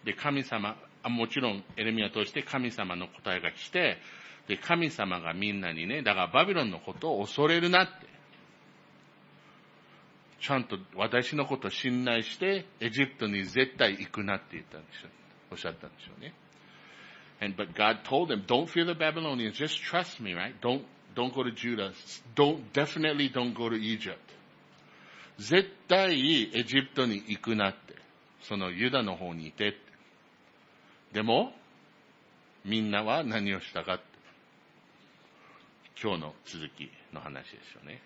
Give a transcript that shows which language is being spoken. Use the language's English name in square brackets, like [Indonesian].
[Japanese] で、神様、もちろん、エレミアとして神様の答えが来て、で、神様がみんなにね、だからバビロンのことを恐れるなって。ちゃんと私のことを信頼して、エジプトに絶対行くなって言ったんでしょ。おっしゃったんでしょうね。 [English] And, but God told them, don't fear the Babylonians, just trust me, right? Don't go to Judah. Definitely don't go to Egypt. [Japanese] 絶対エジプトに行くなって。そのユダの方にいて、でも、みんなは何をしたか。今日の続きの話ですよね。